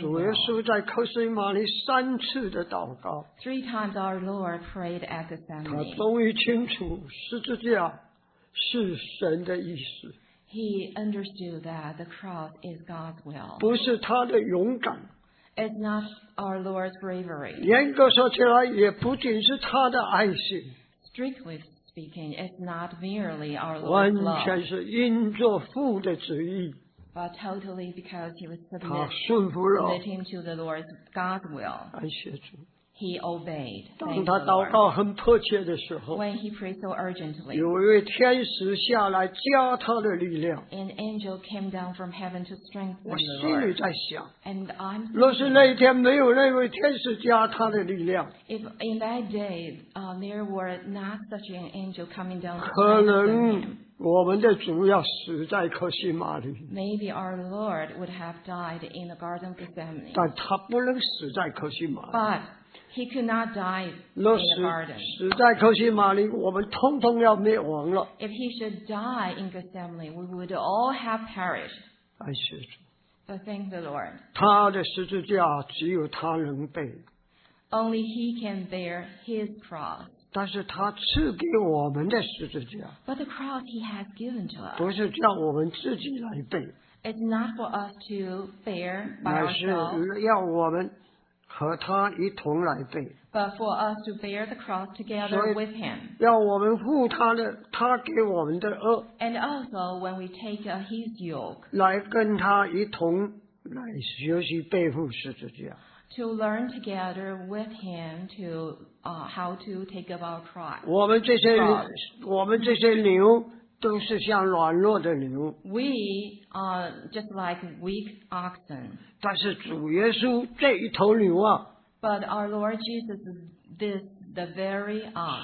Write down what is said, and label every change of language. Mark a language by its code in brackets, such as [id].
[zh] 主耶稣在克西马尼三次的祷告。 [en] Three times our Lord prayed at the Gethsemane. [zh] 他终于清楚十字架。是神的意思。 [en] He understood that the cross is God's will. [zh] 不是他的勇敢。 [en] It's not our Lord's bravery. [zh] 严格说起来，也不仅是他的爱心。 [en] Strictly speaking, it's not merely our Lord's love. [zh] 完全是因着父的旨意。 [en] But totally because he was submitting to the Lord's God's will. [zh] 感谢主。 [en] He obeyed. [zh] 当他祷告很迫切的时候 [en] When he prayed so urgently, [zh] 有一位天使下来加他的力量 [en] An angel came down from heaven to strengthen the Lord. [zh] 我心里在想 [en] And I'm [zh] 若是那一天没有那位天使加他的力量 [en] If in that day, there were not such an angel coming down from heaven, [zh] 可能我们的主要死在克西马里 [en] Maybe our Lord would have died in the Garden of Gethsemane. [zh] 但他不能死在克西马里 [en] But,He could not die in the garden. [zh] 死在克西马里，我们通通要灭亡了。 [en] If he should die in Gethsemane, we would all have perished. [zh] 感谢主。 [en] But thank the Lord. [zh] 他的十字架只有他能背。 [en] Only he can bear his cross. [zh] 但是他赐给我们的十字架。 [en] But the cross he has given to us. [zh] 不是叫我们自己来背。 [en] It's not for us to bear by ourselves. [zh] 乃是要我们。和他一同来背。 [en] But for us to bear the cross together with him. [zh] 要我们负他的，他给我们的轭。 [en] And also when we take his yoke. [zh] 来跟他一同来学习背负十字架。 [en] To learn together with him to how to take up our cross. [zh] 我们这些牛都是像软弱的牛。 [en] We are just like weak oxen. [zh] 但是主耶稣这一头牛啊。 [en] But our Lord Jesus is this, the very ox.